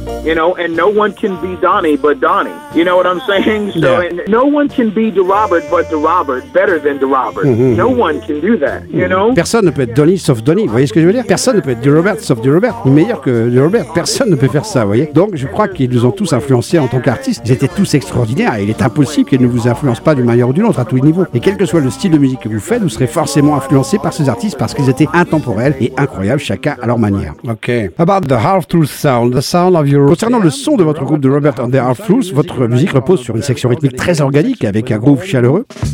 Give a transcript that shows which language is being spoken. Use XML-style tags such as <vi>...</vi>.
<en>You know, and no one can be Donnie but Donnie. You know what I'm saying? So, yeah. And no one can be DeRobert but DeRobert, better than DeRobert. Mm-hmm. No one can do that, you know?</en> <fr>Personne ne peut être Donnie sauf Donnie, vous voyez ce que je veux dire? Personne ne peut être DeRobert sauf DeRobert, meilleur que DeRobert. Personne ne peut faire ça, vous voyez? Donc, je crois qu'ils nous ont tous influencés en tant qu'artistes. Ils étaient tous extraordinaires et il est impossible qu'ils ne vous influencent pas d'une manière ou d'une autre à tous les niveaux. Et quel que soit le style de musique que vous faites, vous serez forcément influencé par ces artistes parce qu'ils étaient intemporels et incroyables, chacun à leur manière. Ok.</fr> <en>About the half-truth sound, the sound of your.</en> <fr>Concernant le son de votre groupe de Robert and the Half-Truths, votre musique repose sur une section rythmique très organique avec un groove chaleureux.</fr>